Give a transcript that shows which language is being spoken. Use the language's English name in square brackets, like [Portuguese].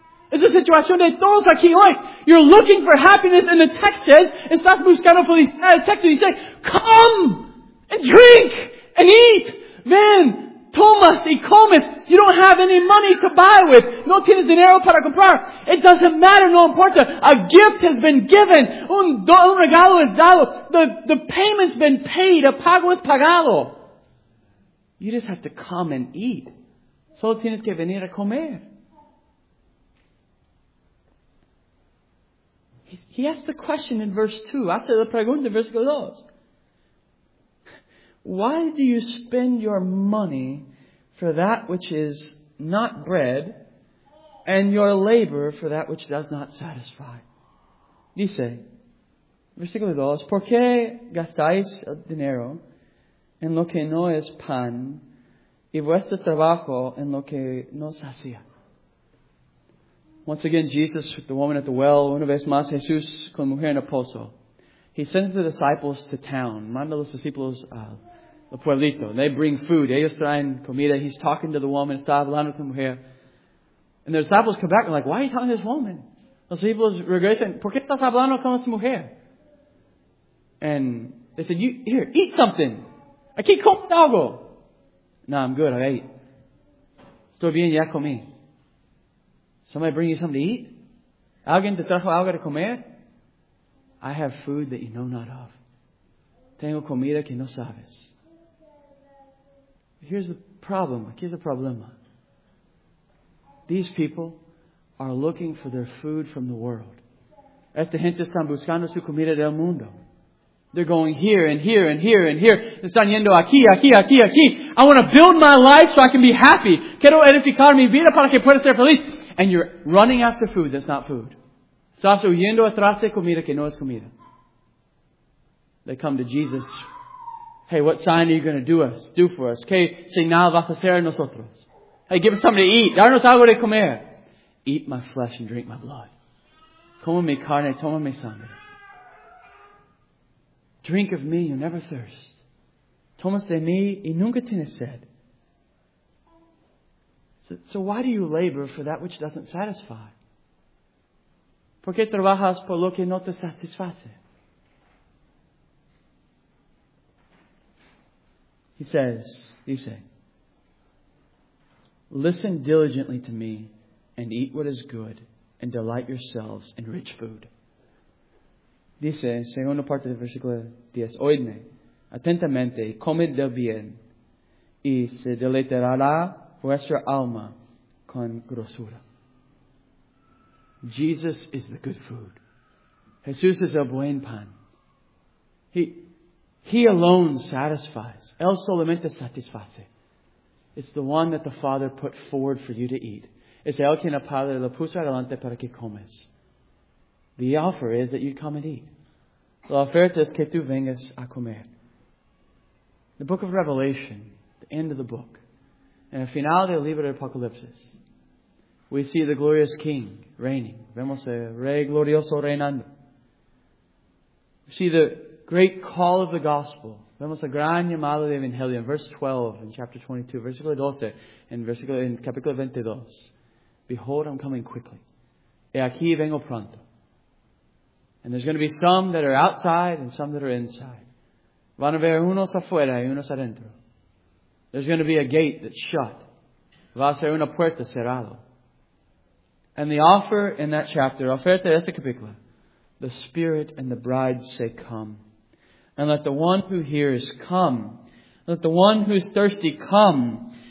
[English] It's the situation [Spanish] de todos aquí hoy. [English] You're looking for happiness, and the text says, [Spanish] estás buscando felicidad. [English] The text says, come and drink and eat. [Spanish] Ven, [English] Thomas y Comas, you don't have any money to buy with. [Spanish] No tienes dinero para comprar. [English] It doesn't matter, [Spanish] no importa. [English] A gift has been given. [Spanish] Un regalo es dado. [English] The payment's been paid. [Spanish] A pago es pagado. [English] You just have to come and eat. [Spanish] Solo tienes que venir a comer. [English] He asked the question in verse 2. [Spanish] Hace la pregunta en versículo 2. [English] Why do you spend your money for that which is not bread, and your labor for that which does not satisfy? [Spanish] Dice, versículo 2, ¿por qué gastáis el dinero en lo que no es pan, y vuestro trabajo en lo que no sacia? [English] Once again, Jesus with the woman at the well. [Spanish] Una vez más, Jesús con mujer en el pozo. [English] He sends the disciples to town. [Spanish] Manda los discípulos al pueblito. [English] They bring food. [Spanish] Ellos traen comida. [English] He's talking to the woman. [Spanish] Está hablando con mujer. [English] And the disciples come back and like, why are you talking to this woman? [Spanish] Los discípulos regresan. ¿Por qué estás hablando con esta mujer? [English] And they said, here, eat something. [Spanish] Aquí come algo. [English] No, I'm good. I ate. [Spanish] Estoy bien, ya comí. [English] Somebody bring you something to eat? [Spanish] ¿Alguien te trajo algo de comer? [English] I have food that you know not of. [Spanish] Tengo comida que no sabes. [English] Here's the problem. [Spanish] Aquí es el problema. [English] These people are looking for their food from the world. Esta gente está buscando su comida del mundo. They're going here and here and here and here. [Spanish] Están yendo aquí, aquí, aquí, aquí. [English] I want to build my life so I can be happy. [Spanish] Quiero edificar mi vida para que pueda ser feliz. [English] And you're running after food that's not food. [Spanish] Estás huyendo atrás de comida que no es comida. [English] They come to Jesus. Hey, what sign are you going to do for us? [Spanish] ¿Qué señal vas a hacer a nosotros? [English] Hey, give us something to eat. [Spanish] Darnos algo de comer. [English] Eat my flesh and drink my blood. [Spanish] Come mi carne, toma mi sangre. [English] Drink of me, you'll never thirst. [Spanish] Tomas de mí y nunca tienes sed. [English] So why do you labor for that which doesn't satisfy? [Spanish] ¿Por qué trabajas por lo que no te satisface? [English] He says, [Spanish] dice, [English] listen diligently to me and eat what is good and delight yourselves in rich food. [Spanish] Dice, segunda parte del versículo 10, oídme atentamente, come del bien y se deleitará vuestra alma con grosura. [English] Jesus is the good food. [Spanish] Jesús es el buen pan. [English] He alone satisfies. [Spanish] Él solamente satisface. [English] It's the one that the Father put forward for you to eat. [Spanish] Es el que el Padre lo puso adelante para que comes. [English] The offer is that you come and eat. [Spanish] La oferta es que tú vengas a comer. [English] The book of Revelation, the end of the book, in the final [Spanish] del libro de Apocalipsis, we see the glorious King reigning. Vemos el Rey glorioso reinando. [English] We see the great call of the gospel. [Spanish] Vemos el gran llamado del Evangelio. [English] Verse 12 in chapter 22. [Spanish] Versículo 12 in capítulo 22. [English] Behold, I'm coming quickly. [Spanish] He aquí vengo pronto. [English] And there's going to be some that are outside and some that are inside. [Spanish] Van a ver unos afuera y unos adentro. [English] There's going to be a gate that's shut. [Spanish] Va a ser una puerta cerrada. [English] And the offer in that chapter, [Spanish] oferta de este capítulo, [English] the Spirit and the Bride say, come. And let the one who hears, come. Let the one who's thirsty, come.